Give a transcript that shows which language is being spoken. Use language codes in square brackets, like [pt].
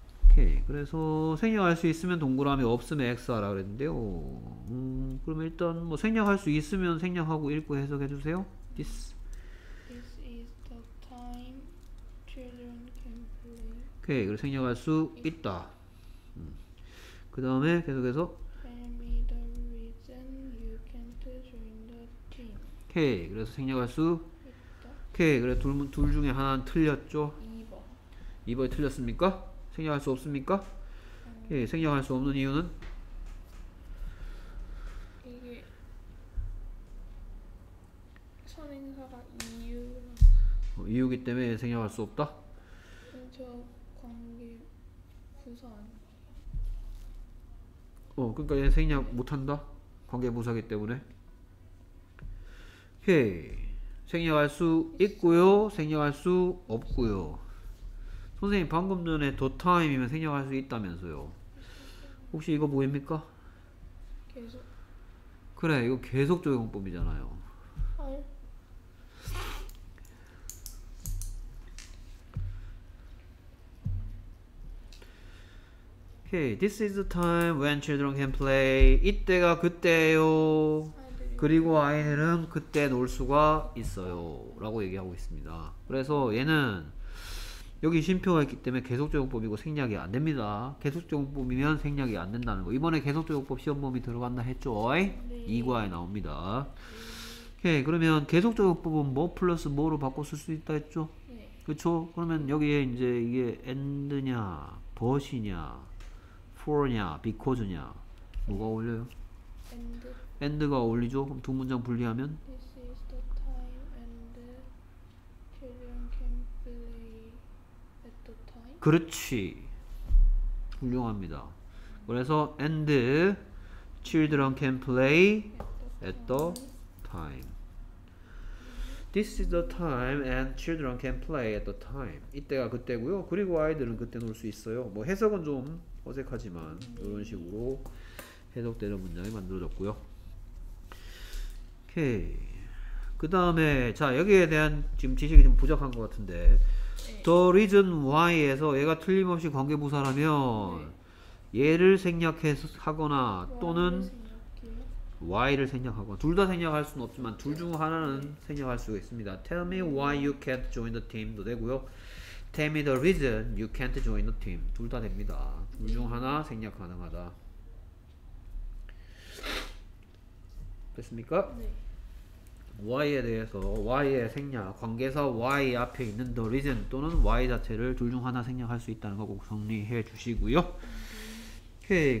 [ko] 오케이 그래서 생략할 수 있으면 동그라미 없으면 x하라 그랬는데요. 그럼 일단 뭐 생략할 수 있으면 생략하고 읽고 해석해 주세요. [en] This. This is the time children can play. [ko] 오케이 그럼 생략할 수 있다. 그 다음에 계속해서. [en] Tell me the reason you can't join the team. [ko] 오케이 그래서 생략할 수 있다. 오케이 그래 둘 중에 하나는 틀렸죠. 2번이 틀렸습니까? 생략할 수 없습니까? 예, 생략할 수 없는 이유는 이게 선행사가 이유 이유기 때문에 생략할 수 없다. 저 관계 부서 아니. 어, 그러니까 얘 생략 못 한다. 관계 부서기 때문에. 오케이. 생략할 수 있고요. 생략할 수 없고요. 선생님 방금 전에 더 타임이면 생략할 수 있다면서요. 혹시 이거 보입니까? 계속. 그래, 이거 계속 적용법이잖아요. [en] 오케이, okay, this is the time when children can play. [ko] 이때가 그때예요. 그리고 아이들은 그때 놀 수가 있어요 라고 얘기하고 있습니다. 그래서 얘는 여기 쉼표가 있기 때문에 계속적용법이고 생략이 안 됩니다. 계속적용법이면 생략이 안 된다는 거. 이번에 계속적용법 시험범위 들어간다 했죠? 네. 2과에 나옵니다. 오케이, 그러면 계속적용법은 뭐 플러스 뭐로 바꿔 쓸 수 있다 했죠? 네. 그쵸? 그러면 여기에 이제 이게 end냐, but이냐, for냐, because냐 뭐가 어울려요? And가 어울리죠? 그럼 두 문장 분리하면? [en] This is the time and children can play at the time. [ko] 그렇지. 훌륭합니다. 그래서 [en] and children can play at the time. This is the time and children can play at the time. [ko] 이때가 그때고요. 그리고 아이들은 그때 놀 수 있어요. 뭐 해석은 좀 어색하지만 이런 식으로 해석되는 문장이 만들어졌고요. 오케이. 그 다음에 자 여기에 대한 지금 지식이 좀 부족한 것 같은데 네. [en] The reason why [ko] 에서 얘가 틀림없이 관계부사라면 네. 얘를 생략하거나 또는 why를 생략하거나 둘 다 생략할 수는 없지만 둘 중 하나는 네. 생략할 수 있습니다. [en] Tell me why you can't join the team도 되고요. Tell me the reason you can't join the team. [ko] 둘 다 됩니다. 둘 중 하나 생략 가능하다. 됐습니까? 네. Why에 대해서 Why의 생략 관계사 Why 앞에 있는 the reason 또는 Why 자체를 둘 중 하나 생략할 수 있다는 거 꼭 정리해 주시고요. 오케이.